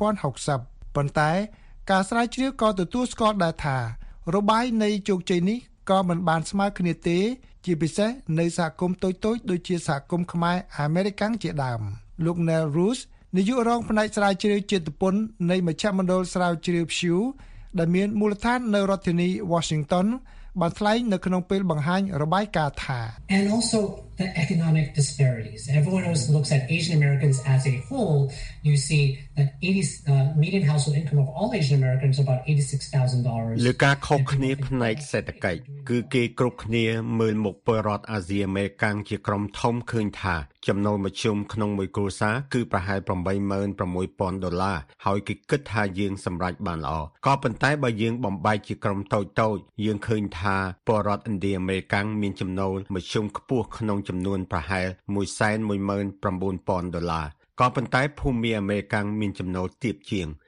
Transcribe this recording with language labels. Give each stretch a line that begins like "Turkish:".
Khmer: 2060ប៉ុន្តែការស្រាវជ្រាវក៏ទទួលស្គាល់ដែរថារបាយនៃជោគជ័យនេះក៏មិនបានស្មើគ្នាទេជាពិសេសនៅសហគមន៍តូចៗដូចជាសហគមន៍ខ្មែរអាមេរិកាំងជាដើមលោក Neil Roos នាយករងផ្នែកស្រាវជ្រាវចិត្តពន្ធនៃមជ្ឈមណ្ឌលស្រាវជ្រាវ Pew ដែលមានមូលដ្ឋាននៅរដ្ឋធានី Washington បានថ្លែងនៅក្នុងពេលបង្ហាញរបាយការណ៍ថា
English: And also the economic disparities. Everyone else looks at Asian Americans as a whole. You see that median household income of all Asian Americans is about $86,000.
Khmer: លោកខុសគ្នាផ្នែកសេដ្ឋកិច្ចគឺគេគ្រប់គ្នាមើលមុខពលរដ្ឋអាស៊ីអាមេរិកាំងជាក្រុមធំឃើញថាចំណូលមធ្យមក្នុងមួយគ្រួសារគឺប្រហែល $86,000 ហើយគេគិតថាយើងសម្រេចបានល្អក៏ប៉ុន្តែបើយើងបំបែកជាក្រុមតូចៗយើងឃើញថាពលរដ្ឋឥណ្ឌាអាមេរិកាំងមានចំណូលមធ្យមខ្ពស់ក្នុងចំនួនប្រហែល $119,000ក៏ប៉ុន្តែភូមិអាមេរិកាំងមានចំណូលទាបជាង